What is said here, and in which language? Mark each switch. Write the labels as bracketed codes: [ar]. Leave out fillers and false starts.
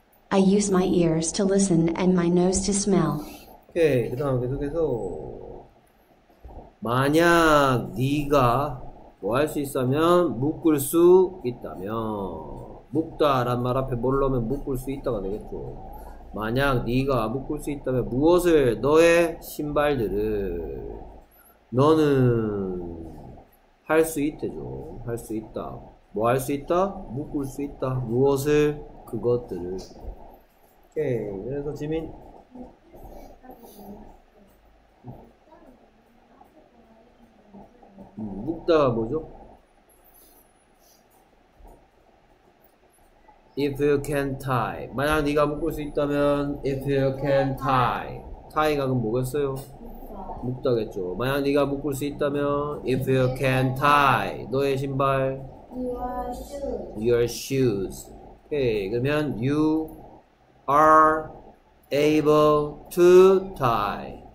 [en] I use my ears to listen and my nose to smell. [ko] 오케이, 그 다음 계속해서 만약 네가 뭐 할 수 있다면 묶을 수 있다면 묶다란 말 앞에 뭘 넣으면 묶을 수 있다가 되겠죠. 만약 네가 묶을 수 있다면 무엇을? 너의 신발들을. 너는 할 수 있대죠. 할 수 있다. 뭐 할 수 있다? 묶을 수 있다. 무엇을? 그것들을. 오케이. 그래서 지민. 묶다 뭐죠? [en] If you can tie. [ko] 만약 네가 묶을 수 있다면 [en] If you can tie. [ko] tie가 그럼 뭐겠어요? 묶다겠죠. 만약 네가 묶을 수 있다면 [en] If you can tie. [ko] 너의 신발. [en] Your shoes. Your shoes. 오케이. [ko] 그러면 [en] you are able to tie.